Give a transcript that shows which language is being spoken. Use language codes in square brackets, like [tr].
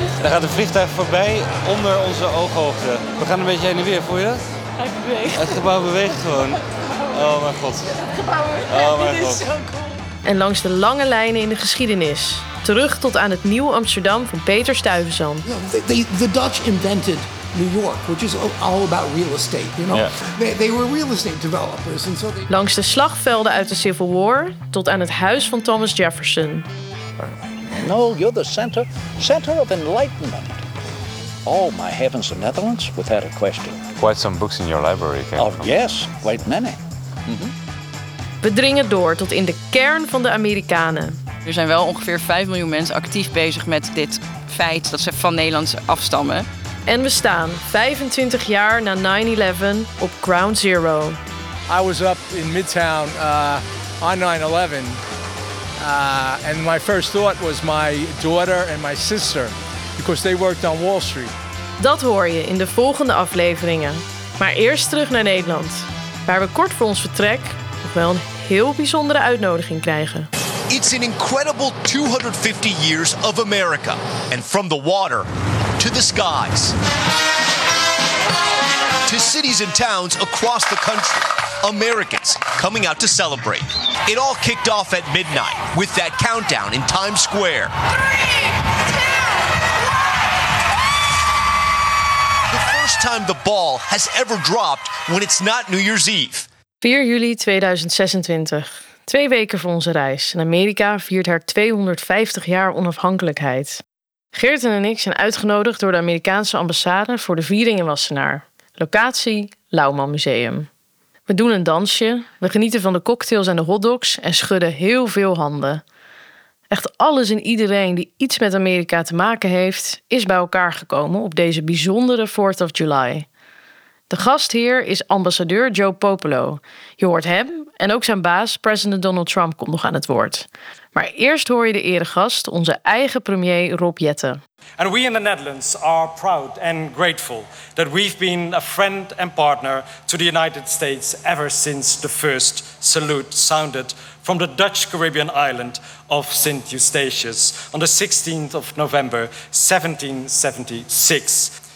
[nl] daar gaat een vliegtuig voorbij onder onze ooghoogte. We gaan een beetje heen en weer, voel je dat? Hij beweegt. Het gebouw beweegt gewoon. Oh mijn god. Het gebouw is zo cool. En langs de lange lijnen in de geschiedenis. Terug tot aan het nieuwe Amsterdam van Peter Stuyvesant. [en] The Dutch invented New York, which is all about real estate, you know. Yeah. They were real estate developers. And so they... [nl] Langs de slagvelden uit de Civil War tot aan het huis van Thomas Jefferson. [en] No, you're the center of enlightenment. Oh, my heavens, the Netherlands, without a question. Quite some books in your library came from. Yes, quite many. Mm-hmm. [nl] We dringen door tot in de kern van de Amerikanen. Er zijn wel ongeveer 5 miljoen mensen actief bezig met dit feit dat ze van Nederland afstammen. En we staan 25 jaar na 9/11 op Ground Zero. [en] I was up in Midtown on 9/11. And my first thought was my daughter and my sister, because they worked on Wall Street. [nl] Dat hoor je in de volgende afleveringen. Maar eerst terug naar Nederland, waar we kort voor ons vertrek nog wel een heel bijzondere uitnodiging krijgen. [en] It's an incredible 250 years of America, and from the water to the skies, to cities and towns across the country. Americans coming out to celebrate. It all kicked off at midnight with that countdown in Times Square. 3, 2, 1. The first time the ball has ever dropped when it's not New Year's Eve. [nl] 4 juli 2026. 2 weken voor onze reis. En Amerika viert haar 250 jaar onafhankelijkheid. Geert en ik zijn uitgenodigd door de Amerikaanse ambassade voor de viering in Wassenaar. Locatie, Lauwman Museum. We doen een dansje, we genieten van de cocktails en de hotdogs en schudden heel veel handen. Echt alles en iedereen die iets met Amerika te maken heeft, is bij elkaar gekomen op deze bijzondere 4th of July. De gast hier is ambassadeur Joe Popolo. Je hoort hem en ook zijn baas, president Donald Trump, komt nog aan het woord. Maar eerst hoor je de eregast, onze eigen premier Rob Jetten. [en] And we in the Netherlands are proud and grateful that we've been a friend and partner to the United States ever since the first salute sounded from the Dutch Caribbean island of Sint Eustatius on the 16th of November 1776.